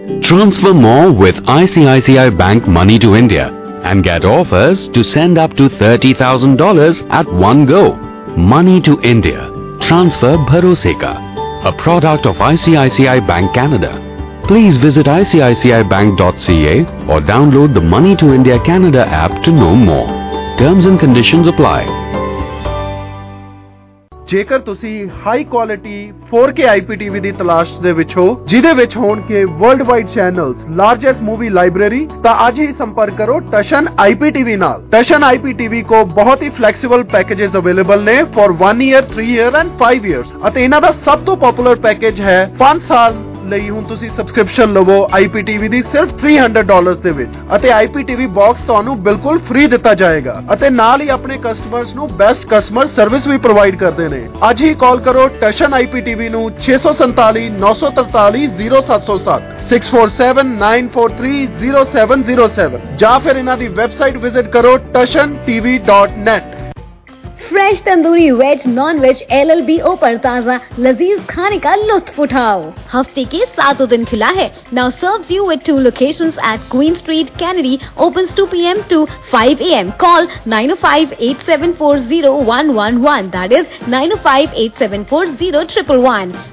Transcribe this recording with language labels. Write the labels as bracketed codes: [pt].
[en] Transfer more with ICICI Bank money to India and get offers to send up to $30,000 at one go. Money to India. Transfer Bharose Ka. A product of ICICI Bank Canada. Please visit icicibank.ca or download the Money to India Canada app to know more. Terms and conditions apply. [pa] ਜੇਕਰ ਤੁਸੀਂ high quality 4K IPTV ਦੀ ਤਲਾਸ਼ ਦੇ ਵਿੱਚ ਹੋ ਜਿਹਦੇ ਵਿੱਚ ਹੋਣਗੇ world wide channels largest movie library ਤਾਂ ਅੱਜ ਹੀ ਸੰਪਰਕ ਕਰੋ ਟਸ਼ਨ IPTV ਨਾਲ ਟਸ਼ਨ IPTV ਕੋ ਬਹੁਤ ਹੀ ਫਲੈਕਸੀਬਲ ਪੈਕੇਜਸ ਅਵੇਲੇਬਲ ਨੇ [en] for 1 year 3 year and 5 years [pa] ਅਤੇ ਇਹਨਾਂ ਦਾ ਸਭ ਤੋਂ ਪਾਪੂਲਰ ਪੈਕੇਜ ਹੈ 5 ਸਾਲ ਲਈ ਹੁਣ ਤੁਸੀਂ ਸਬਸਕ੍ਰਿਪਸ਼ਨ ਲਵੋ IPTV ਦੀ ਸਿਰਫ $300 ਦੇ ਵਿੱਚ ਅਤੇ IPTV ਬਾਕਸ ਤੁਹਾਨੂੰ ਬਿਲਕੁਲ ਫ੍ਰੀ ਦਿੱਤਾ ਜਾਏਗਾ ਅਤੇ ਨਾਲ ਹੀ ਆਪਣੇ ਕਸਟਮਰਸ ਨੂੰ ਬੈਸਟ ਕਸਟਮਰ ਸਰਵਿਸ ਵੀ ਪ੍ਰੋਵਾਈਡ ਕਰਦੇ ਨੇ ਅੱਜ ਹੀ ਕਾਲ ਕਰੋ ਟਸ਼ਨ IPTV ਨੂੰ 647-943-0707 647-943-0707 ਜਾਂ ਫਿਰ ਇਹਨਾਂ ਦੀ ਵੈਬਸਾਈਟ ਵਿਜ਼ਿਟ ਕਰੋ tashantv.net [hi] fresh tandoori veg non veg LLB open ताज़ा लजीज खाने का लुत्फ उठाओ हफ्ते के सातों दिन खुला है [en] now serves you with two locations at Queen Street [hi] canary opens 2 PM to 5 AM call 9058740111 [en] that is [hi] 9058740111